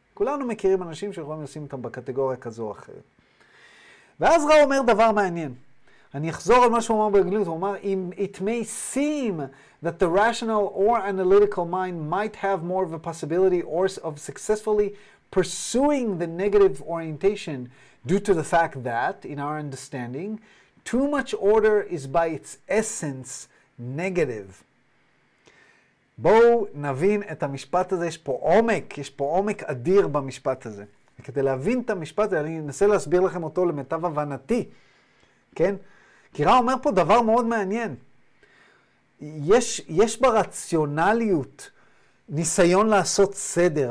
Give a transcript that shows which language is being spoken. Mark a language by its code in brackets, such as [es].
[he] כולנו מכירים אנשים שיכולים לשים אותם בקטגוריה כזו או אחרת. ואז רא אומר דבר מעניין. אני אחזור על מה שהוא אמר בגלות, הוא אמר, [en] it may seem that the rational or analytical mind might have more of a possibility or of successfully pursuing the negative orientation due to the fact that, in our understanding, too much order is by its essence negative. [he] בואו נבין את המשפט הזה, יש פה עומק אדיר במשפט הזה. וכדי להבין את המשפט הזה, אני אנסה להסביר לכם אותו למיטב הבנתי, כן? כי רא אומר פה דבר מאוד מעניין. יש ברציונליות ניסיון לעשות סדר.